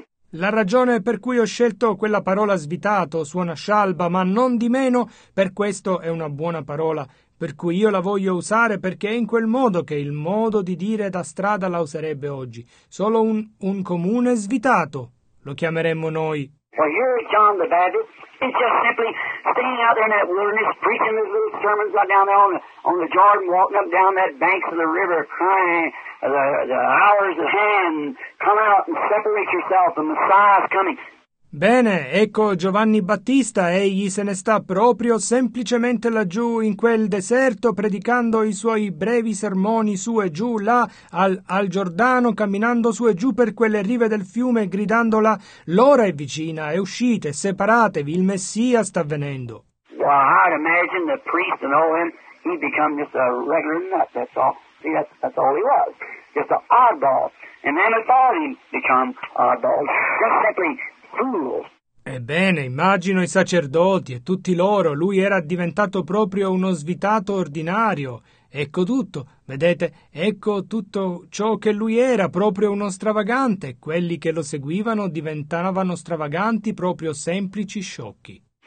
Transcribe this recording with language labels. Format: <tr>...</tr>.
<it>La ragione per cui ho scelto quella parola svitato suona scialba, ma non di meno, per questo è una buona parola. Per cui io la voglio usare perché è in quel modo che il modo di dire da strada la userebbe oggi. Solo un comune svitato, lo chiameremmo noi.</it> <en>Well, here John the Baptist is just simply standing out there in that wilderness, preaching his little sermons out down there on the Jordan, walking up down that banks of the river, crying, the hour's at hand, come out and separate yourself, the Messiah's coming.</en> <it>Bene, ecco Giovanni Battista, egli se ne sta proprio semplicemente laggiù in quel deserto predicando i suoi brevi sermoni su e giù là al Giordano, camminando su e giù per quelle rive del fiume gridandola, l'ora è vicina, è uscite, separatevi, il Messia sta venendo.</it> <en>Well, I'd imagine the priest and all him, he'd become just a regular nut, that's all. See, that's all he was. Just an oddball. And then it's all he'd become oddball. Just simply...</en> <it>Ebbene, immagino i sacerdoti e tutti loro, lui era diventato proprio uno svitato ordinario. Ecco tutto, vedete, ecco tutto ciò che lui era, proprio uno stravagante. Quelli che lo seguivano diventavano stravaganti, proprio semplici sciocchi.</it>